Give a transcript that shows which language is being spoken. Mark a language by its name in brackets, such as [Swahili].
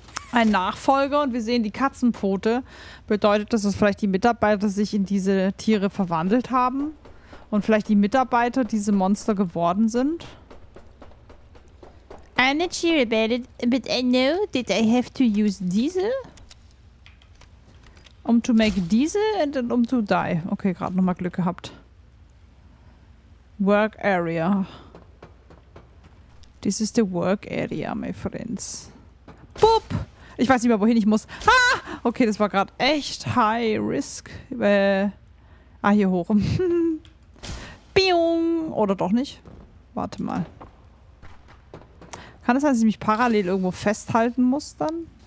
[German] Ein Nachfolger und wir sehen die Katzenpfote. Bedeutet, dass es vielleicht die Mitarbeiter sich in diese Tiere verwandelt haben und vielleicht die Mitarbeiter diese Monster geworden sind? [English] I'm not sure about it, but I know that I have to use diesel. Um to make diesel and then um to die. [German] Okay, gerade nochmal Glück gehabt. [English] Work area. This is the work area, my friends. Boop! [German] Ich weiß nicht mehr, wohin ich muss. Ah! Okay, das war gerade echt high risk. Hier hoch. Biung! Oder doch nicht? Warte mal. Kann es sein, dass ich mich parallel irgendwo festhalten muss dann?